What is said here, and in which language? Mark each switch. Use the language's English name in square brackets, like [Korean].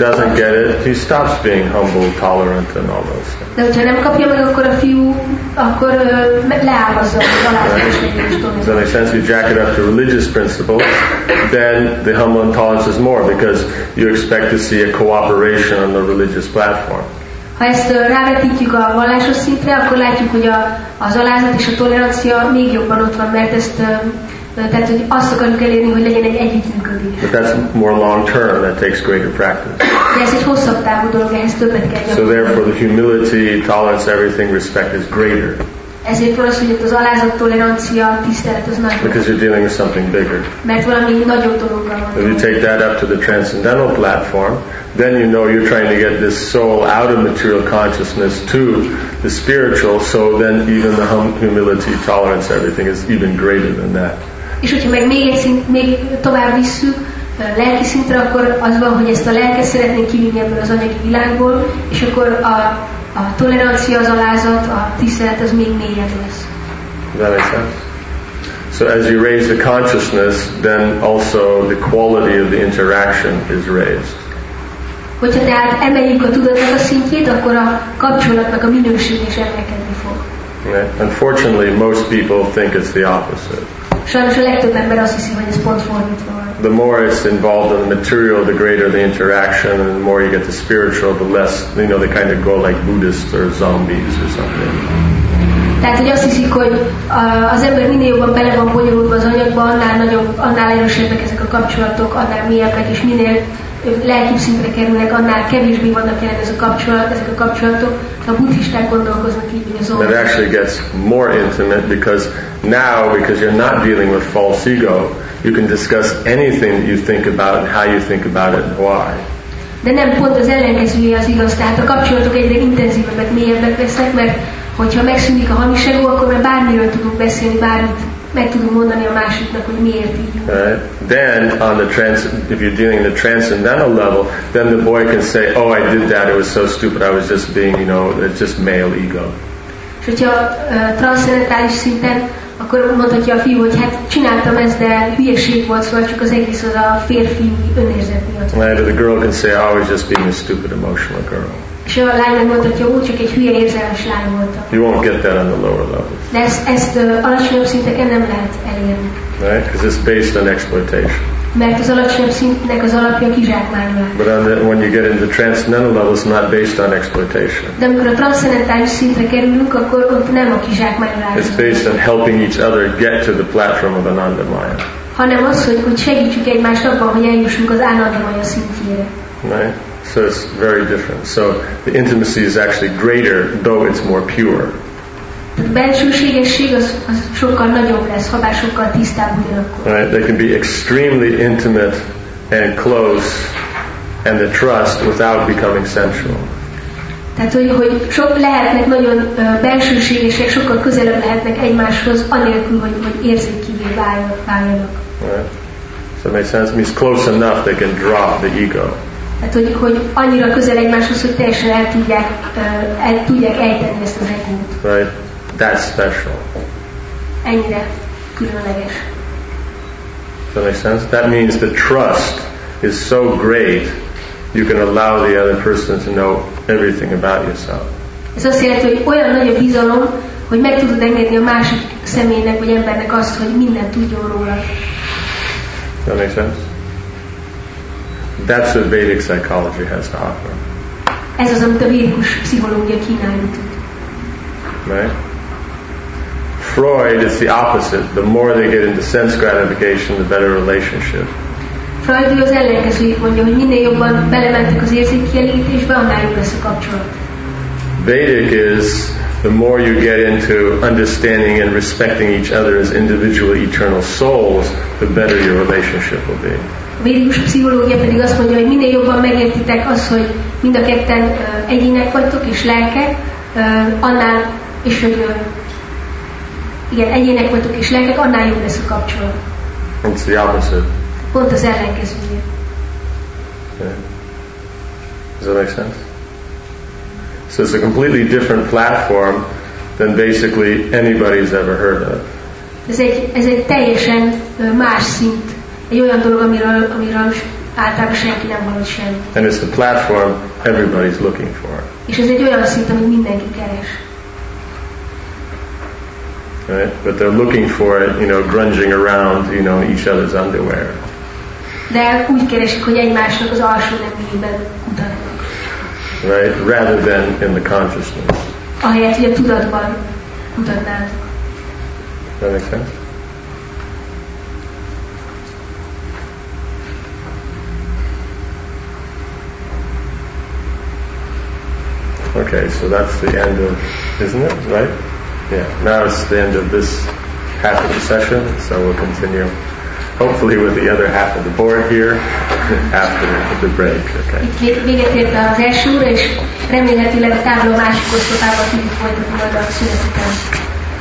[English] He doesn't get it, he stops being humble, tolerant and all those things. [Hungarian] De hogyha nem kapja meg, akkor a fiú, akkor leáll az alázatos és toleráns. [English] So in a sense, you jack it up to religious principles, then the humble and tolerance is more because you expect to see a cooperation on the religious platform. [Hungarian] Ha ezt rávetítjük a vallásos szintre, akkor látjuk, hogy az alázat és a tolerancia még jobban ott van, mert ezt, tehát hogy azt akarjuk elérni, hogy legyen egy együttműködés. [English] But that's more long term, that takes greater practice. [Hungarian] De ez egy hosszabb távú dolog, ehhez többet kell gyakorolni. [English] So therefore the humility, tolerance, everything, respect is greater. [Hungarian] Ezért van az, hogy az alázat, tolerancia, tisztelet az nagyobb. [English] Because you're dealing with something bigger. [Hungarian] Mert valami nagyobb dologgal van. [English] If you take that up to the transcendental platform, then you know you're trying to get this soul out of material consciousness to the spiritual, so then even the humility, tolerance, everything is even greater than that. [Hungarian] És hogyha meg még egy szint, még tovább visszük lelki szintre, akkor az van, hogy ezt a lelket szeretnénk kivinni ebből az anyagi világból, és akkor a tolerancia, az alázat, a tisztelet az még mélyebb lesz. [English] So as you raise the consciousness, then also the quality of the interaction is raised. [Hungarian] Hogyha tehát emeljük a tudatnak a szintjét, akkor a kapcsolatnak a minősége is emelkedni fog. [English] Unfortunately, most people think it's the opposite. [Hungarian] Sajnos a legtöbb ember azt hiszi, hogy ez pont fordítva. [English] The more it's involved in the material, the greater the interaction, and the more you get the spiritual, the less, you know, they kind of go like Buddhists or zombies or something. [Hungarian] Tehát, hogy azt hiszik, hogy az ember minél jobban bele van bonyolulva az anyagba, annál nagyobb, annál erősebbek ezek a kapcsolatok, annál mélyebbek, és minél lelkibb szintre kerülnek, annál kevésbé vannak jelen ezek a kapcsolatok. A buddhisták gondolkoznak így, hogy az ember. [English] It actually gets more intimate because now, because you're not dealing with false ego, you can discuss anything that you think about and how you think about it and why. [Hungarian] De nem pont az ellenkezője az igaz, tehát a kapcsolatok egyre intenzívebbek, mélyebbek lesznek, mert hogyha megszűnik a hamis ego, akkor már bármiről tudunk beszélni, bármit meg tudunk mondani a másiknak, hogy miért így. [English] Then, on the if you're dealing the transcendental level, then the boy can say, oh, I did that, it was so stupid, I was just being, you know, it's just male ego. [Hungarian] És hogyha transzcendentális szinten, akkor mondhatja a fiú, hogy hát csináltam ezt, de hülyeség volt, szóval csak az egész az a férfi önérzet miatt. [English] Right, the girl can say, I was just being a stupid emotional girl. [Hungarian] És a lány megmondhatja, úgy csak egy hülye érzelmes lány voltam. [English] You won't get that on the lower level. [Hungarian] De ezt alacsonyabb szinteken nem lehet elérni. [English] Right? Because it's based on exploitation. [Hungarian] Mert az alacsonyabb szintnek az alapja kizsákmányolás. [English] But when you get into the transcendental level, it's not based on exploitation. [Hungarian] De amikor a transzcendentális szintre kerülünk, akkor ott nem a kizsákmányolás. [English] It's based on helping each other get to the platform of Ananda Maya. [Hungarian] Hanem az, hogy segítsük egymást abban, hogy eljussunk az Ananda Maya szintjére. [English] Right? So it's very different. So the intimacy is actually greater, though it's more pure. [Hungarian] A bensőségesség az sokkal nagyobb lesz, ha bár sokkal tisztább ugyanakkor. [English] Right, they can be extremely intimate and close and the trust without becoming sensual. [Hungarian] Tehát, hogy sok lehetnek nagyon bensőségesek, sokkal közelebb lehetnek egymáshoz, anélkül, hogy érzékkivé váljanak. [English] Right. So it makes sense. It means close enough they can drop the ego. [Hungarian] Tehát, hogy annyira közel egymáshoz, hogy teljesen el tudják ejteni ezt az egót. [English] Right. That's special. [Hungarian] Ennyire különleges. [English] Does that make sense? That means the trust is so great, you can allow the other person to know everything about yourself. [Hungarian] Ez azt jelenti, hogy olyan nagy a bizalom, hogy meg tudod engedni a másik személynek vagy embernek azt, hogy mindent tudjon róla. [English] Does that make sense? That's what Vedic psychology has to offer. [Hungarian] Ez az, amit a védikus pszichológia kínálni tud. [English] Right? Freud is the opposite. The more they get into sense gratification, the better relationship. [Hungarian] Freud az ellenkezőjét mondja, hogy minél jobban belementek az érzékkielégítésbe, annál jobb lesz a kapcsolat. [English] Vedic is the more you get into understanding and respecting each other as individual eternal souls, the better your relationship will be. [Hungarian] Védikus pszichológia pedig azt mondja, hogy minél jobban megértitek azt, hogy mind a ketten egyének vagytok és lelkek, annál és hogy igen, egyének vagytok és lelkek, annál jobb lesz a kapcsolat. [English] It's the opposite. [Hungarian] Pont az ellenkezője. [English] Yeah. Does that make sense? So it's a completely different platform than basically anybody's ever heard of. [Hungarian] Ez egy teljesen más szint. Egy olyan dolog, amiről általában senki nem hallott semmit. [English] And it's the platform everybody's looking for. [Hungarian] És ez egy olyan szint, amit mindenki keres. [English] Right? But they're looking for it, you know, grunging around, you know, each other's underwear. [Hungarian] De úgy keresik, hogy egymásnak az alsó neműjében kutatnak. [English] Right? Rather than in the consciousness. [Hungarian] Ahelyett, hogy a tudatban kutatnád. [English] That makes sense? Okay, so that's the end of, isn't it, right? Yeah, now it's the end of this half of the session, so we'll continue, hopefully with the other half of the board here, after the break, okay. [Hungarian] Itt véget ért az első úr, és remélhetőleg a tábla másik osztopában tudjuk folytatni majd a szünet után.